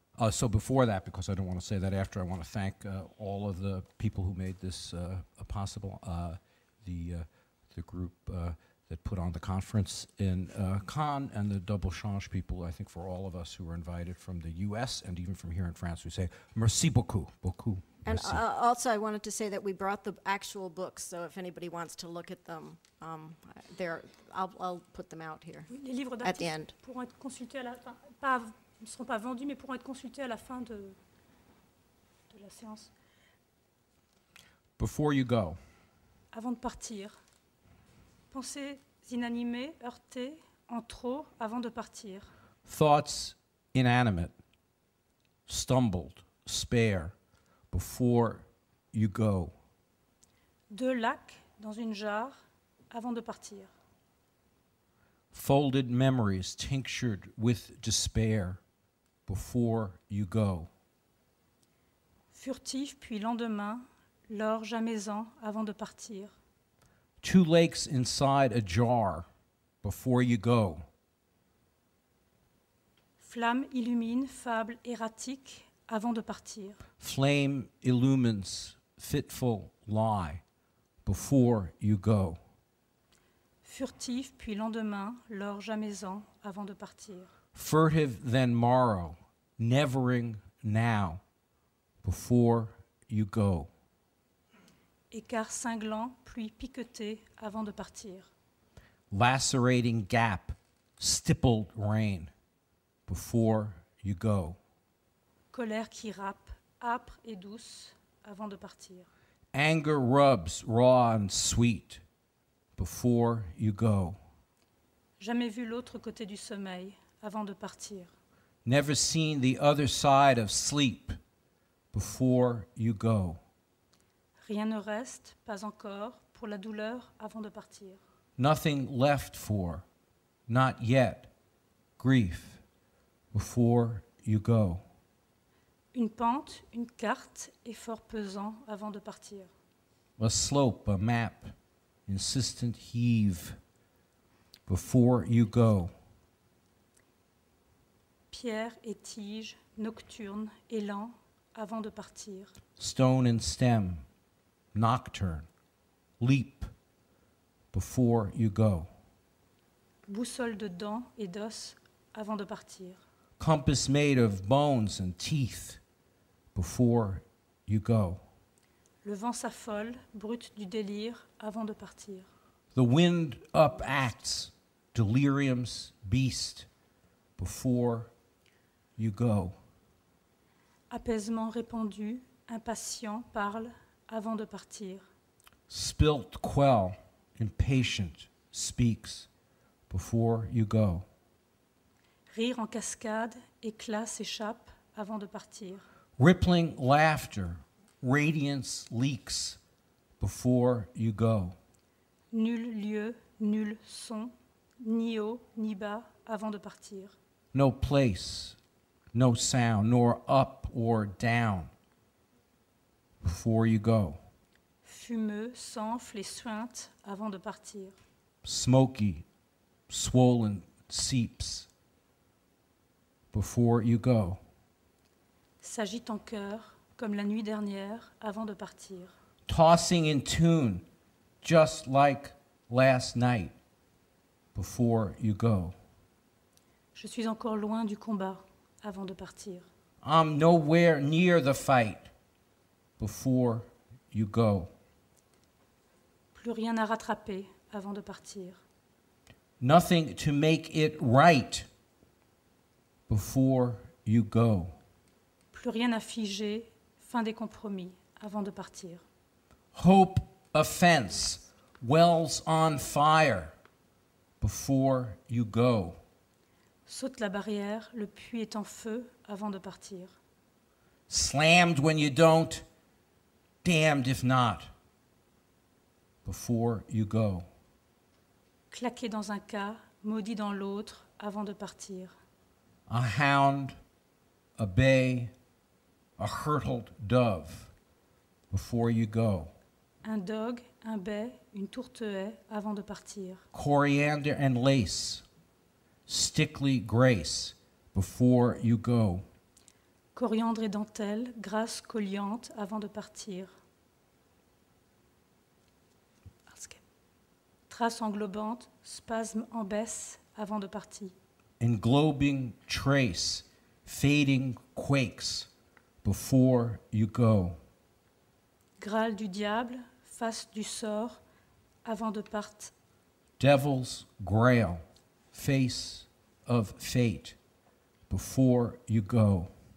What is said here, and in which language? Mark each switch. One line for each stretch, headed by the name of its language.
English: So before that, because I don't want to say that after, I want to thank all of the people who made this possible, the group that put on the conference in Cannes, and the Double Change people, I think for all of us who were invited from the U.S. and even from here in France, we say
French: merci beaucoup, beaucoup.
English: And also, I wanted to say that we brought the actual books, so if anybody wants to look at them, I'll put them out here
French: les livres
English: at the end.
French: Pourront être consultés à la fin, pas, ne seront pas vendus, mais pourront être consultés à la fin de la séance.
English: Before you go.
French: Avant de partir. Pensées inanimées, heurtées, en trop, avant de partir.
English: Thoughts inanimate, stumbled, spare. Before you go.
French: Deux lacs dans une jarre avant de partir.
English: Folded memories tinctured with despair before you go.
French: Furtif puis lendemain, l'orge à maison avant de partir.
English: Two lakes inside a jar before you go.
French: Flamme illumine fable erratique. Avant de partir.
English: Flame illumines fitful lie before you go.
French: Furtif, puis lendemain, l'orge à maison avant de partir.
English: Furtive, then morrow, nevering now before you go.
French: Écart cinglant, pluie piquetée avant de partir.
English: Lacerating gap, stippled rain before you go.
French: Colère qui râpe, âpre et douce, avant de partir.
English: Anger rubs raw and sweet before you go.
French: Jamais vu l'autre côté du sommeil avant de partir.
English: Never seen the other side of sleep before you go.
French: Rien ne reste, pas encore, pour la douleur avant de partir.
English: Nothing left for, not yet, grief before you go.
French: Une pente, une carte, effort pesant avant de partir.
English: A slope, a map, insistent heave before you go.
French: Pierre et tige, nocturne, élan avant de partir.
English: Stone and stem, nocturne, leap before you go.
French: Boussole de dents et d'os avant de partir.
English: Compass made of bones and teeth. Before you go.
French: Le vent s'affole, brute du délire, avant de partir.
English: The wind up acts, delirium's beast, before you go.
French: Apaisement répandu, impatient, parle, avant de partir.
English: Spilt quell, impatient, speaks, before you go.
French: Rire en cascade, éclat s'échappe, avant de partir.
English: Rippling laughter, radiance leaks before you go.
French: Nul lieu, nul son, ni haut, ni bas, avant de partir.
English: No place, no sound, nor up or down before you go.
French: Fumeux, s'enfle et suinte, avant de partir.
English: Smoky, swollen, seeps before you go.
French: S'agite en cœur, comme la nuit dernière, avant de partir.
English: Tossing in tune, just like last night, before you go.
French: Je suis encore loin du combat, avant de partir.
English: I'm nowhere near the fight, before you go.
French: Plus rien à rattraper, avant de partir.
English: Nothing to make it right, before you go.
French: Plus rien à figer, fin des compromis, avant de partir.
English: Hope, offense, wells on fire, before you go.
French: Saute la barrière, le puits est en feu, avant de partir.
English: Slammed when you don't, damned if not, before you go.
French: Claqué dans un cas, maudit dans l'autre, avant de partir.
English: A hound, a bay, a hurtled dove before you go.
French: Un dog, un bai, une tourterelle avant de partir.
English: Coriander and lace, stickly grace before you go.
French: coriandre et dentelle, grasse colliante avant de partir. Trace englobante, spasme en baisse avant de partir.
English: Englobing trace, fading quakes before you go.
French: Graal du diable, face du sort avant de partir.
English: Devil's grail, face of fate before you go.